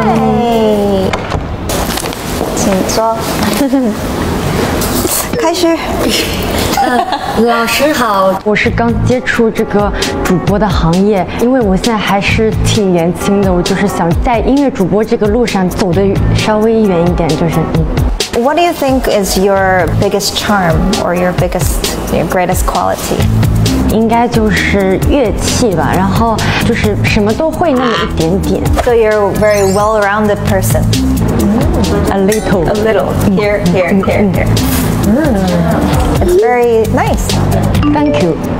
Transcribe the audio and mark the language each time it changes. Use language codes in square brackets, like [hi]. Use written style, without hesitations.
[en] Hi. [zh] 请坐。开始。老师好，我是刚接触这个主播的行业，因为我现在还是挺年轻的，我就是想在音乐主播这个路上走得稍微远一点，就是 [en] What do you think is your biggest charm or your biggest, your greatest quality? [zh] 应该就是乐器吧，然后就是什么都会那么一点点。 [en] So you're a very well-rounded person. A little. A little. Here, here, here, here. It's very nice. Thank you.